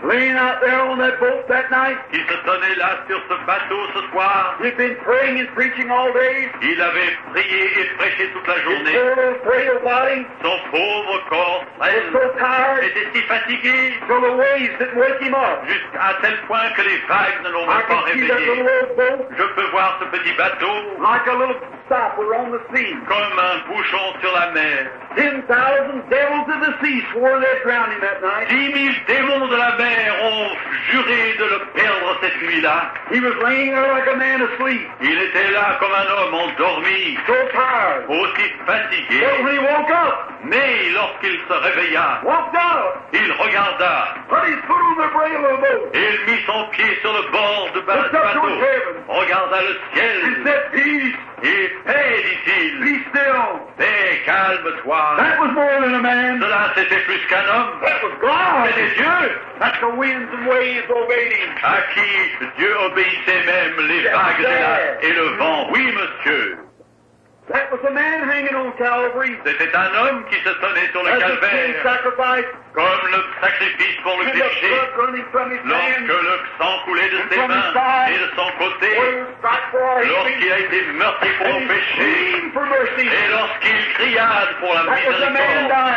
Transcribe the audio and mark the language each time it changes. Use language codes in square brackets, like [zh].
[en] Laying out there on that boat that night. [fr] Il se tenait là sur ce bateau ce soir. [en] He'd been praying and preaching all day. [fr] Il avait prié et prêché toute la journée. [en] His poor, frail body. [fr] Son pauvre corps. [en] Was so tired. [fr] Était si fatigué. [en] From the waves that woke him up. [fr] Jusqu'à tel point que les vagues ne l'ont pas réveillé. [en] I can see that little boat. [fr] Je peux voir ce petit bateau. [en] Like a little stopper on the sea. [fr] Comme un bouchon sur la mer. [en] 10,000 devils of the sea swore they'd drown him. [fr] 10,000 démons de la mer ont juré de le perdre cette nuit-là. [en] He was laying there like a man asleep. [fr] Il était là comme un homme endormi. [en] So tired. [fr] Aussi fatigué. [en] But when he woke up. [fr] Mais lorsqu'il se réveilla. [en] Walked out. [fr] Il regarda. [en] Put his foot on the rail of the boat. [fr] Il mit son pied sur le bord du bateau. [en] Looked up to heaven. [fr] Regarda le ciel. [en] He said, peace. [fr] Et paix, dit-il. [en] Be still. [fr] Paix, calme-toi. [en] That was more than a man. [fr] Cela, c'était plus qu'un homme. [en] That was God. [fr] C'était Dieu. [en] That the winds and waves obeyed him. [fr] À qui Dieu obéissait même les vagues et le vent. Oui, monsieur. [en] That was a man hanging on Calvary. [fr] C'était un homme qui se tenait sur le calvaire. Comme le sacrifice pour le péché. Lorsque le sang coulait de ses mains et de son côté. Lorsqu'il a été meurtri pour le péché. Et lorsqu'il cria pour la miséricorde.